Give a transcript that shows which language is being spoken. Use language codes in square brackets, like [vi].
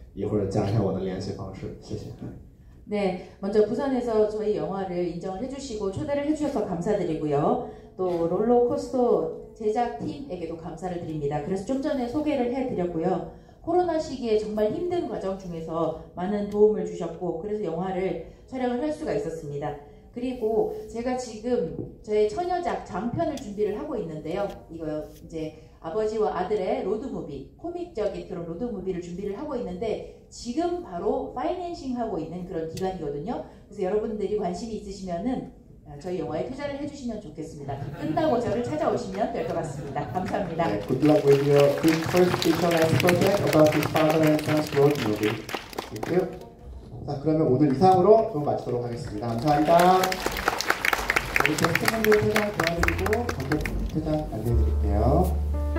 [zh] 关于父亲和儿子之间的一个公路喜剧片，然后希望如果有感兴趣的朋友可以投资我的影片，我现在目前正在融资阶段，然后如果有感兴趣的人可以一会儿加一下我的联系方式，谢谢。 [ko] 네, 먼저 부산에서 저희 영화를 인정을 해주시고 초대를 해주셔서 감사드리고요. 또 롤러코스터 제작팀에게도 감사를 드립니다. 그래서 좀 전에 소개를 해드렸고요. 코로나 시기에 정말 힘든 과정 중에서 많은 도움을 주셨고 그래서 영화를 촬영을 할 수가 있었습니다. 그리고 제가 지금 저의 처녀작 장편을 준비를 하고 있는데요. 이거요. 이제 아버지와 아들의 로드무비, 코믹적인 그런 로드무비를 준비를 하고 있는데 지금 바로 파이낸싱 하고 있는 그런 기간이거든요. 그래서 여러분들이 관심이 있으시면은 저희 영화에 투자를 해주시면 좋겠습니다. 끝나고 저를 찾아오시면 될 것 같습니다. 감사합니다. [en] Good luck with your first feature-length project about his father and son's road movie. Thank you. [ko] 자, 그러면 오늘 이상으로 좀 마치도록 하겠습니다. 감사합니다. 우리 게스트분들 퇴장 도와드리고 관객분들 퇴장 안내해드릴게요.